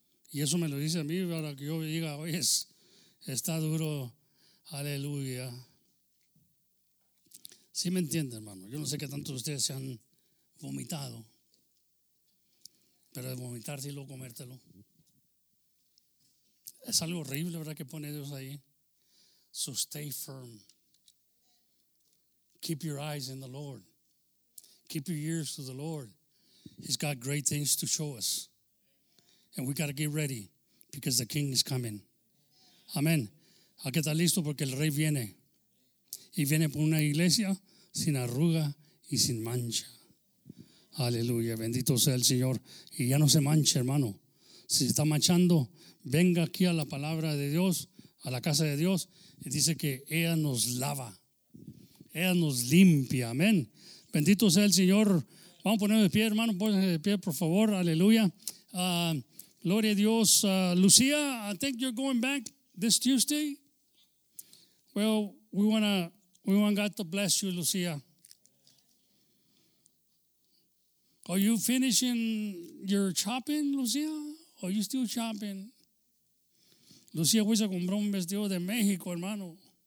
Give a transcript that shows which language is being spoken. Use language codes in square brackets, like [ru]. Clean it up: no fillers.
[es] Y eso me lo dice a mí para que yo diga, oye, está duro, aleluya. Sí me entiende, hermano. Yo no sé qué tantos de ustedes se han vomitado, pero de vomitar sí, luego comértelo. Es algo horrible, ¿verdad?, que pone Dios ahí. [en] So stay firm. Keep your eyes in the Lord. Keep your ears to the Lord. He's got great things to show us. And we got to get ready because the king is coming. [es] Amén. Hay que estar listo porque el rey viene. Y viene por una iglesia sin arruga y sin mancha. Aleluya. Bendito sea el Señor. Y ya no se manche, hermano. Si se está manchando, venga aquí a la palabra de Dios, a la casa de Dios. Y dice que ella nos lava. Ella nos limpia. Amén. Bendito sea el Señor. Vamos a ponernos de pie, hermano. Pónganse de pie, por favor. Aleluya. Gloria a Dios. [en] Lucía, I think you're going back this Tuesday. Well, we want to We want God to bless you, Lucia. Are you finishing your shopping, Lucia? Or are you still shopping? [es] Lucia, we se compró un vestido de México, hermano.